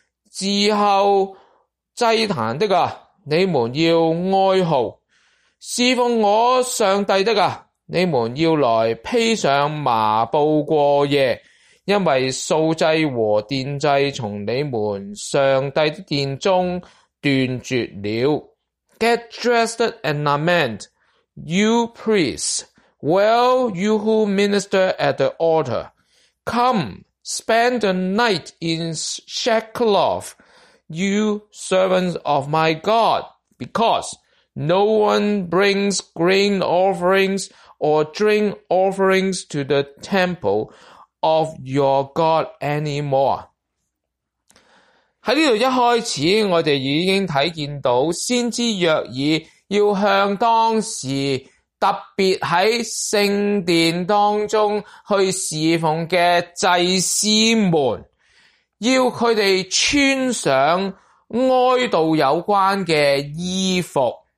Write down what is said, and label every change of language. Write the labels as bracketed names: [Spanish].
[Chinese] 自后祭坛的啊，你们要哀号，侍奉我上帝的啊，你们要来披上麻布过夜，因为素祭和奠祭从你们上帝的殿中断绝了。 [English] Get dressed and lament, you priests, well, you who minister at the altar. Come, spend the night in sackcloth, you servants of my God, because no one brings grain offerings or drink offerings to the temple of your God anymore. [Chinese] 在这里一开始我们已经看见到先知约珥要向当时特别在圣殿当中去侍奉的祭司们要他们穿上哀悼有关的衣服。